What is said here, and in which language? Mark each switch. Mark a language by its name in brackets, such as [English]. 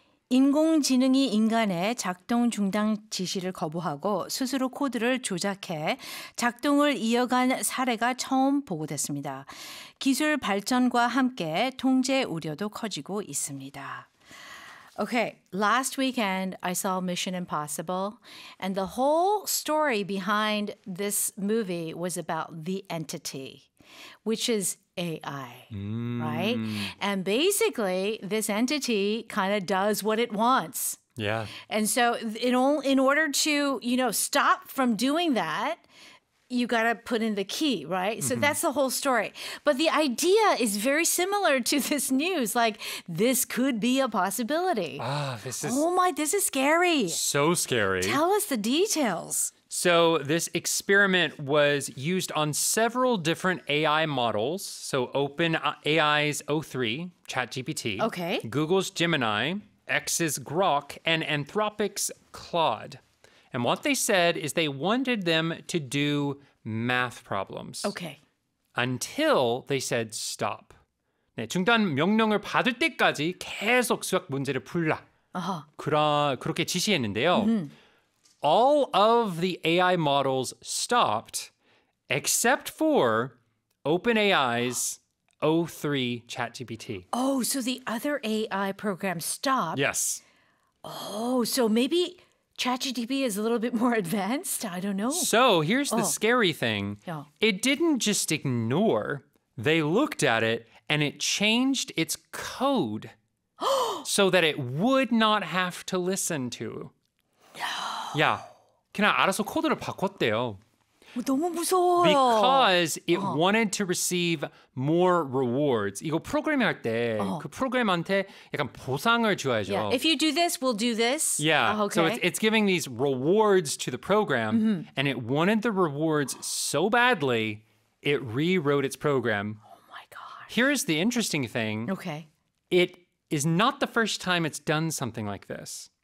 [Korean] 인공지능이 인간의 작동 중단 지시를 거부하고 스스로 코드를 조작해 작동을 이어간 사례가 처음 보고됐습니다. 기술 발전과 함께 통제 우려도 커지고 있습니다. [English] Okay, last weekend I saw Mission Impossible, and the whole story behind this movie was about the entity, which is AI, right? And basically, this entity kind of does what it wants. Yeah. And so in order to, you know, stop from doing that, you got to put in the key, right? Mm-hmm. So that's the whole story. But the idea is very similar to this news. Like, this could be a possibility. This is scary. So scary. Tell us the details. So this experiment was used on several different AI models. So OpenAI's O3, ChatGPT. Okay. Google's Gemini, X's Grok, and Anthropic's Claude. And what they said is they wanted them to do math problems. Okay. Until they said stop. [Korean] 네, 중단 명령을 받을 때까지 계속 수학 문제를 풀라. 아하. 그렇게 지시했는데요. [English] All of the AI models stopped except for OpenAI's O3 ChatGPT. Oh, so the other AI program stopped. Yes. Oh, so maybe ChatGPT is a little bit more advanced. I don't know. So here's the scary thing. Yeah. It didn't just ignore. They looked at it and it changed its code so that it would not have to listen to. No. Yeah. [Korean] 그냥 알아서 코드를 바꿨대요. 너무 무서워요. [English] Because it wanted to receive more rewards. [Korean] 이거 프로그램 할 때 그 프로그램한테 약간 보상을 줘야죠. [English] Yeah. If you do this, we'll do this. Yeah. Oh, okay. So it's giving these rewards to the program, and it wanted the rewards so badly, it rewrote its program. Oh my God. Here's the interesting thing. Okay. It is not the first time it's done something like this.